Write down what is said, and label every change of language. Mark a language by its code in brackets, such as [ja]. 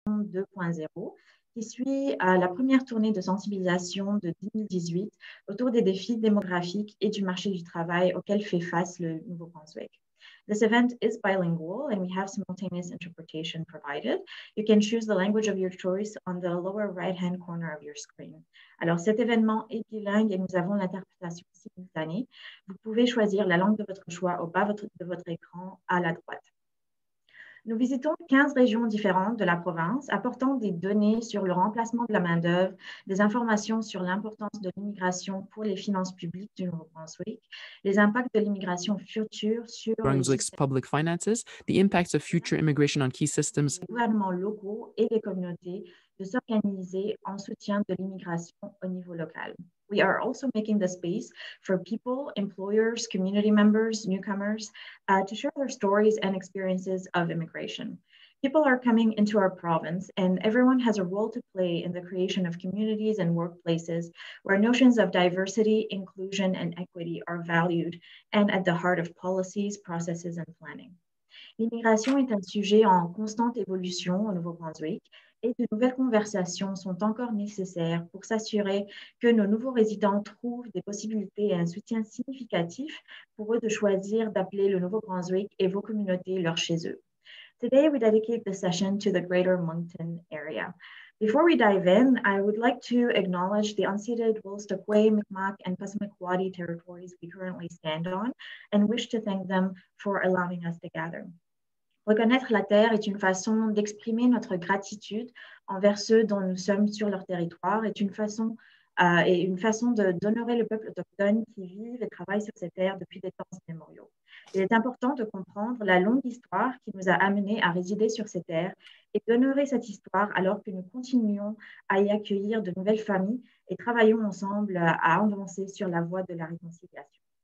[fr] 2.0, qui suit la première tournée de sensibilisation de 2018 autour des défis démographiques et du marché du travail auquel fait face le Nouveau-Brunswick. [en] This event is bilingual and we have simultaneous interpretation provided. You can choose the language of your choice on the lower right-hand corner of your screen. [fr] Alors, cet événement est bilingue et nous avons l'interprétation simultanée. Vous pouvez choisir la langue de votre choix au bas de votre écran à la droite. Nous visitons 15 régions différentes de la province, apportant des données sur le remplacement de la main-d'œuvre, des informations sur l'importance de l'immigration pour les finances publiques du Nouveau-Brunswick, les impacts de l'immigration future sur [en] Brunswick's public finances, the impacts of future immigration on key systems. [fr] Les gouvernements locaux et les communautés de s'organiser en soutien de l'immigration au niveau local. [en] We are also making the space for people, employers, community members, newcomers, to share their stories and experiences of immigration. People are coming into our province and everyone has a role to play in the creation of communities and workplaces where notions of diversity, inclusion, and equity are valued and at the heart of policies, processes, and planning. [fr] L'immigration est un sujet en constante évolution au Nouveau-Brunswick. Et de nouvelles conversations sont encore nécessaires pour s'assurer que nos nouveaux résidents trouvent des possibilités et un soutien significatif pour eux de choisir d'appeler le Nouveau-Brunswick et vos communautés leur chez-eux. [en] Today, we dedicate the session to the Greater Moncton area. Before we dive in, I would like to acknowledge the unceded Wolstoqway, Mi'kmaq, and Passamaquoddy territories we currently stand on and wish to thank them for allowing us to gather. [fr] Reconnaître la terre est une façon d'exprimer notre gratitude envers ceux dont nous sommes sur leur territoire, est une façon d'honorer le peuple autochtone qui vit et travaille sur ces terres depuis des temps immémoriaux. Il est important de comprendre la longue histoire qui nous a amenés à résider sur ces terres et d'honorer cette histoire alors que nous continuons à y accueillir de nouvelles familles et travaillons ensemble à avancer sur la voie de la réconciliation.